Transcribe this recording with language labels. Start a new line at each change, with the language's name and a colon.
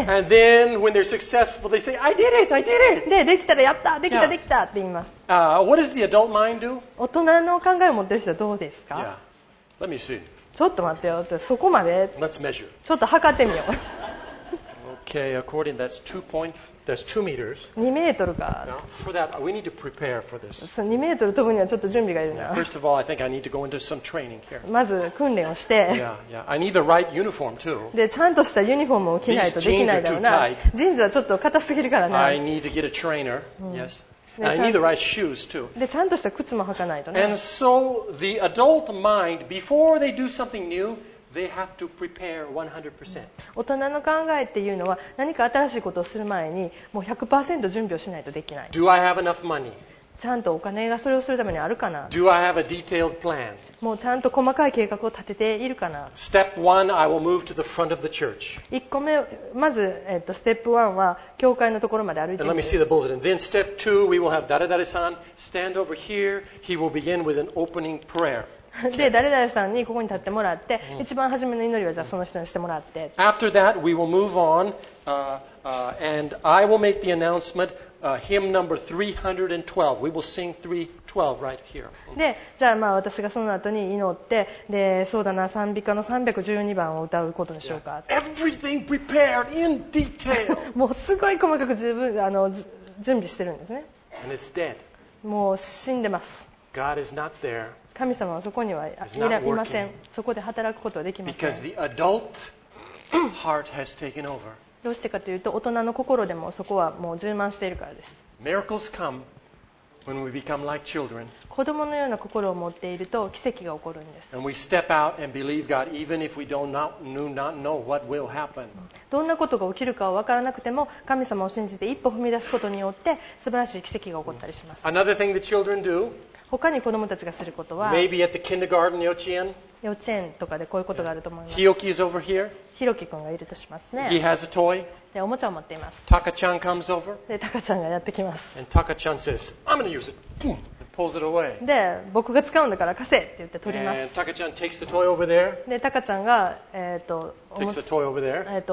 English: And then when they're successful, they say, I did it, I did it.
Japanese: で、できたらやった、できた、できたって言います。
English: What does the adult mind do?
Japanese: 大人の考えを持ってる人はどうですか？
English: Yeah. Let me see.
Japanese: ちょっと待ってよって、そこまで。
English: Let's measure.
Japanese: ちょっと測ってみよう。
English: Okay, according to that's 2 points, that's 2 meters.
Japanese: 2メートルか。
English: For that, we need to prepare for this.
Japanese: 2メートル飛ぶにはちょっと準備がいるな。
English: First of all, I think I need to go into some training here.
Japanese: まず訓練をして。
English: Yeah. I need the right uniform too.
Japanese: で、ちゃんとしたユニフォームを着ないとできないだろうな。ジーンズはちょっと硬すぎるからね。
English: I need to get a trainer. Yes. I need the right shoes too.
Japanese: で、ちゃんとした靴も履かないとね。
English: And so the adult mind, before they do something new,They have to prepare 100%.
Japanese: 大人の考えっていうのは何か新しいことをする前にもう 100% 準備をしないとできない。
English: Do I have enough money?
Japanese: ちゃんとお金がそれをするためにあるかな?
English: Do I have a detailed plan?
Japanese: もうちゃんと細かい計画を立てているかな?
English: Step 1, I will move to the front of the church.
Japanese: 1個目、まず、ステップ1は教会のところまで歩いてみる。
English: And let me see the bulletin. Then step 2, we will have Dare-dare-san stand over here. He will begin with an opening prayer.
Japanese: で誰々さんにここに立ってもらって、一番初めの祈りはじゃあその人にしてもらって。
English: After that, we will move on, and I will make the announcement, hymn number 312. We will sing 312 right here.
Japanese: で、じゃあまあ私がその後に祈って、でそうだな賛美歌の312番を歌うことにしようか。
English: Everything prepared in detail.
Japanese: もうすごい細かく十分準備してるんですね。
English: And it's dead.
Japanese: もう死んでます。
English: God is not there.
Japanese: 神様はそこにはいません。そこで働くことはできません。
English: Because the adult heart has taken over.
Japanese: どうしてかというと、大人の心でもそこはもう充満しているからです。
English: Miracles come when we become like children.
Japanese: 子供のような心を持っていると奇跡が起こるんです。
English: And we step out and believe God even if we do not know what will happen.
Japanese: どんなことが起きるかは分からなくても、神様を信じて一歩踏み出すことによって素晴らしい奇跡が起こったりします。
English: Another thing the children do.
Japanese: 他に子どもたちがすることは、
English: Maybe at the kindergarten,
Japanese: 幼稚園とかでこういうことがあると思います。
English: ヒロキ is over here.
Japanese: ヒロキ君がいるとしますね。
English: He has a toy.
Japanese: で、おもちゃを持っています。
English: タカちゃん comes over.
Japanese: で、タカちゃんがやってきます。
English: And タカちゃん says, I'm gonna use it. And pulls it away.
Japanese: で、僕が使うんだから貸せって言って取ります。
English: And タカちゃん takes the toy over there.
Japanese: で、タカちゃんが、
English: takes the toy over there.